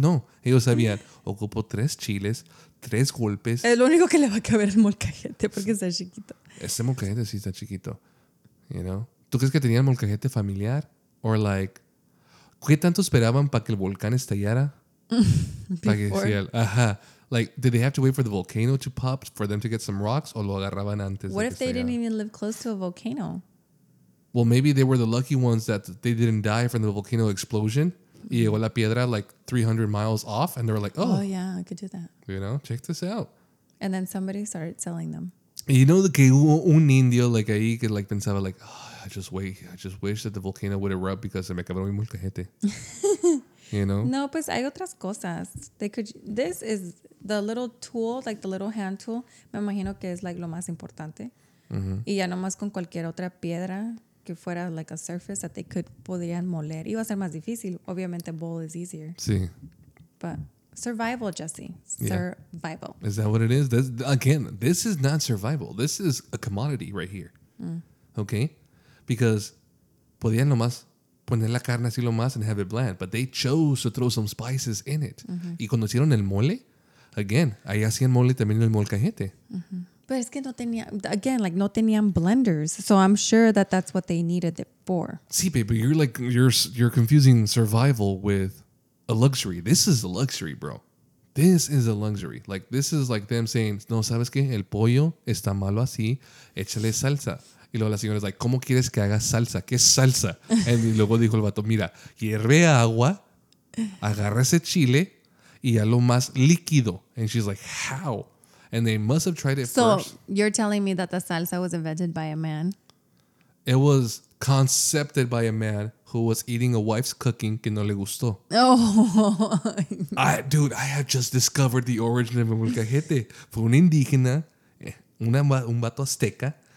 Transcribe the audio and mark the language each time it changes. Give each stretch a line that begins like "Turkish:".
Spanish: No, ellos sabían, ocupo tres chiles, tres golpes. Es lo único que le va a caber el molcajete porque está chiquito. Este molcajete sí está chiquito.
English: You know?
Spanish: ¿Tú crees que tenían molcajete familiar?
English: Or like,
Spanish: ¿qué tanto esperaban para que el volcán estallara?
English: Before. Like, did they have to wait for the volcano to pop for them to get some rocks?
Spanish: ¿O lo agarraban antes?
English: What if they didn't even live close to a volcano? Well, maybe they were the lucky ones that they didn't die from the volcano explosion.
Spanish: Y llegó la piedra
English: like 300 miles off. And they were like, oh. Oh, yeah, I could do that. You know, check this out. And then somebody started selling them. You know,
Spanish: que hubo un indio like ahí que like pensaba
English: like, oh, I just wish that the volcano would erupt because
Spanish: se me acabó mi molcajete.
English: You know?
Spanish: No, pues hay otras cosas.
English: This is the little tool, like the little hand tool,
Spanish: me imagino que es like lo más importante. Y ya nomás con cualquier otra piedra que fuera
English: like a surface that they could,
Spanish: podrían moler. Iba a ser más difícil.
English: Obviamente, bowl is easier.
Spanish: Sí.
English: But survival, Jesse. Survival. Yeah. Is that what it is? This is not survival. This is a commodity right here. Okay?
Spanish: Because podían nomás poner la carne así lo más
English: and have it bland. But they chose to throw some spices in it.
Spanish: Y cuando hicieron el mole, again, ahí hacían mole también el molcajete. But es que no tenía, again, like no tenían blenders.
English: So I'm sure that that's what they needed it for. Sí, babe, but you're confusing survival with a luxury. This is a luxury, bro. This is a luxury. Like this is like them saying,
Spanish: no, ¿sabes qué? El pollo está malo así, échale salsa. Y luego la señora es like, ¿cómo quieres que haga salsa? ¿Qué es salsa? Y luego dijo el vato, mira, hierve agua, agarra ese chile y a lo más líquido.
English: And she's like, how? And they must have tried it so first. So you're telling me that the salsa was invented by a man? It was concepted by a man who was eating a wife's cooking
Spanish: que no le gustó. Oh.
English: I have just discovered the origin of el molcajete.
Spanish: Fue un indígena, un vato azteca.